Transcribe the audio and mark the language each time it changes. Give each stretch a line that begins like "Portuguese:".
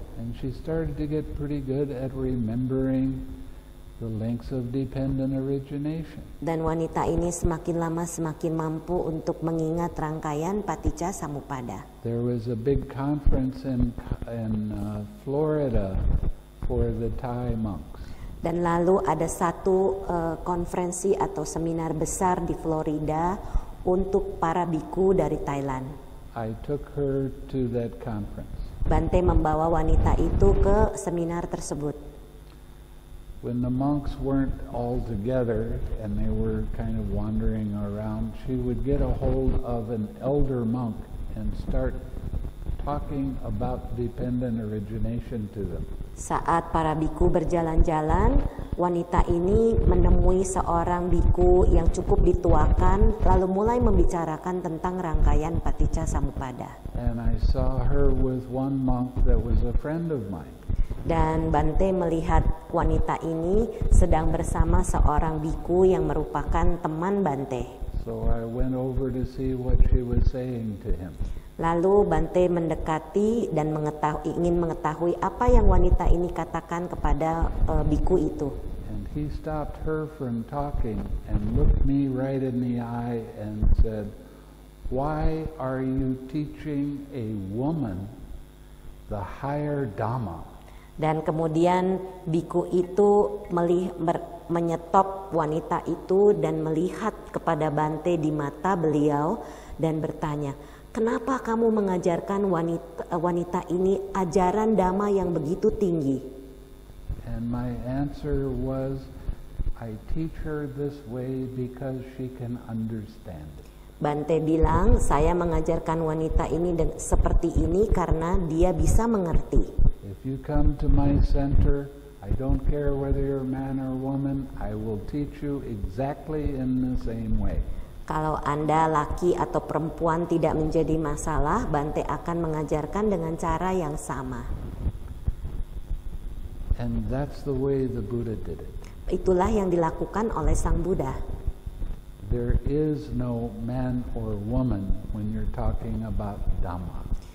English: And she started to get pretty good at remembering the links of dependent origination.
Indonesian: Dan wanita ini semakin lama semakin mampu untuk mengingat rangkaian paticca samuppada.
English: There was a big conference in Florida for the Thai monks.
Indonesian: Dan lalu ada satu konferensi atau seminar besar di Florida untuk para biku dari Thailand.
English: I took her to that conference.
Indonesian: Bhante membawa wanita itu ke seminar tersebut.
English: When the monks weren't all together and they were kind of wandering around, she would get a hold of an elder monk and start talking about dependent origination to them.
Indonesian: Saat para biku berjalan-jalan, wanita ini menemui seorang biku yang cukup dituakan, lalu mulai membicarakan tentang rangkaian paticca samuppada.
English: And I saw her with one monk that was a friend of mine.
Indonesian: Dan Bhante melihat wanita ini sedang bersama seorang biku yang merupakan teman Bhante.
English: So I went over to see what she was saying to him.
Indonesian: Lalu Bhante mendekati dan ingin mengetahui apa yang wanita ini katakan kepada biku itu.
English: And he stopped her from talking and looked me right in the eye and said, "Why are you teaching a woman the higher Dhamma?"
Indonesian: Dan kemudian biku itu menyetop wanita itu dan melihat kepada Bhante di mata beliau dan bertanya, "Kenapa kamu mengajarkan wanita ini ajaran Dhamma yang begitu tinggi?"
English: And my answer was, "I teach her this way because she can understand it."
Indonesian: Bhante bilang, "Saya mengajarkan wanita ini seperti ini karena dia bisa mengerti."
English: If you come to my center, I don't care whether you're man or woman, I will teach you exactly in the same way.
Indonesian: Kalau Anda laki atau perempuan tidak menjadi masalah, Bhante akan mengajarkan dengan cara yang sama.
English: And that's the way the Buddha did it.
Indonesian: Itulah yang dilakukan oleh Sang Buddha.
English: There is no man or woman when you're talking about Dhamma.